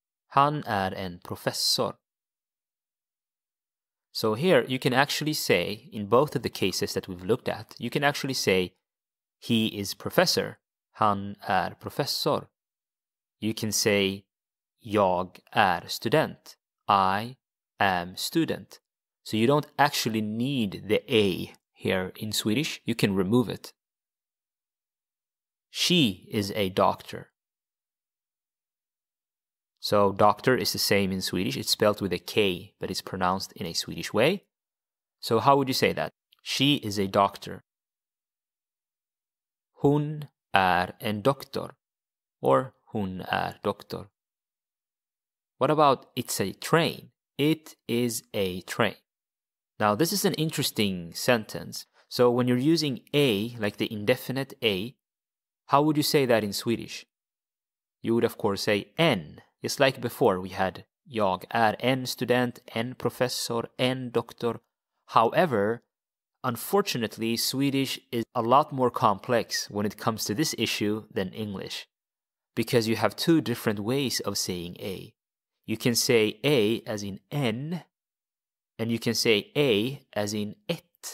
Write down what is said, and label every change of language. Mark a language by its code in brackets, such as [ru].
[sv] Han är en professor. [en] So here you can actually say, in both of the cases that we've looked at, you can actually say, he is professor. [sv] Han är professor. [en] You can say, [sv] jag är student. [en] I am student. So you don't actually need the A here in Swedish. You can remove it. She is a doctor. So doctor is the same in Swedish. It's spelled with a K, but it's pronounced in a Swedish way. So how would you say that? She is a doctor. [sv] Hon är en doktor. [en] Or [sv] hon är doktor. [en] What about it's a train? It is a train. Now this is an interesting sentence. So when you're using a, like the indefinite a, how would you say that in Swedish? You would of course say en. It's like before we had [sv] jag är en student, en professor, en doktor. [en] However, unfortunately, Swedish is a lot more complex when it comes to this issue than English, because you have two different ways of saying a. You can say a as in en, and you can say a as in ett.